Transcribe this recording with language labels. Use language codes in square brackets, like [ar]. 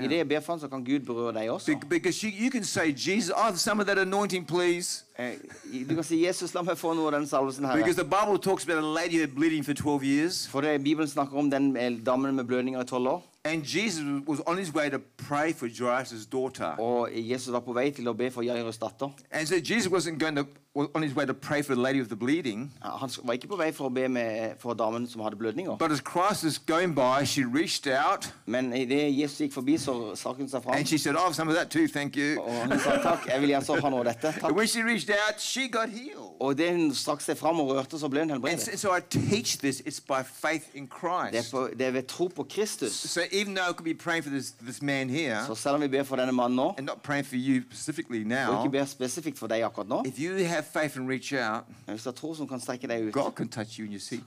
[no] I det jeg ber for han, så kan Gud berøre deg også. [en] Because you can say, Jesus, oh, some of that anointing, please. [no] Du kan si, Jesus, la meg få noe av den salvesen her. [en] Because the Bible talks about a lady who had bleeding for 12 years. [no] For det Bibelen snakker om den damen med blødninger I 12 år. [en] And Jesus was on his way to pray for Jairus' daughter. [no] Og Jesus var på vei til å be for Jairus' datter. [en] And so Jesus wasn't going to was on his way to pray for the lady with the bleeding. [no] Han var ikke på vei for å be med for damen som hadde blødninger. [en] But as Christ was going by, she reached out. [no] Men det Jesus gikk forbi så strakk hun seg fram. [en] And she said, "Oh, some of that too, thank you." [no] Og hun sa takk, jeg vil gjerne så ha noe av dette. Takk. [en] When she reached out, she got healed. [no] Og det hun strakk seg fram og rørte så ble hun helbredet. [en] And so I teach this, it's by faith in Christ. [no] Det ved tro på Kristus. [en] Even though I could be praying for this man here, [no] so selv om vi ber for denne mannen nå, [en] and not praying for you specifically now, [no] og ikke ber specifikt for deg akkurat nå, [en] if you have faith and reach out, [no] men hvis du har tro som kan strekke deg ut, [en] God can touch you in your seat.